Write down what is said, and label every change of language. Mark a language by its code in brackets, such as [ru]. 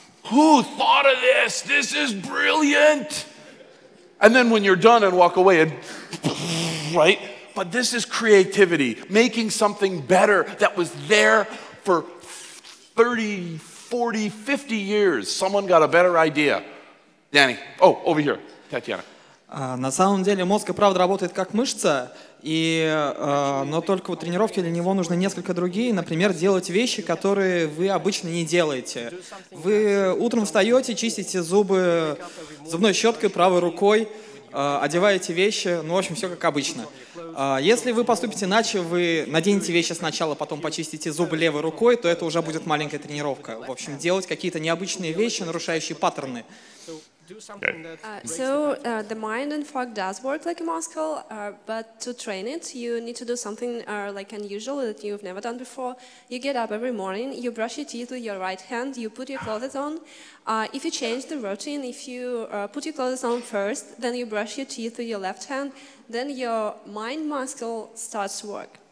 [en] Who thought of this? This is brilliant. And then when you're done and walk away, right? But this is creativity, making something better that was there for 30, 40, 50 years. Someone got a better idea. Danny. Oh, over here. Tatiana. [ru] На самом деле мозг и правда работает как мышца, и, но только в тренировке для него нужны несколько другие, например, делать вещи, которые вы обычно не делаете. Вы утром встаете, чистите зубы зубной щеткой, правой рукой, одеваете вещи, ну, в общем, все как обычно. Если вы поступите иначе, вы наденете вещи сначала, потом почистите зубы левой рукой, то это уже будет маленькая тренировка. В общем, делать какие-то необычные вещи, нарушающие паттерны. [en] The mind in fact does work like a muscle, but to train it, you need to do something like unusual that you've never done before. You get up every morning, you brush your teeth with your right hand, you put your clothes on. If you change the routine, if you put your clothes on first, then you brush your teeth with your left hand, then your mind muscle starts to work.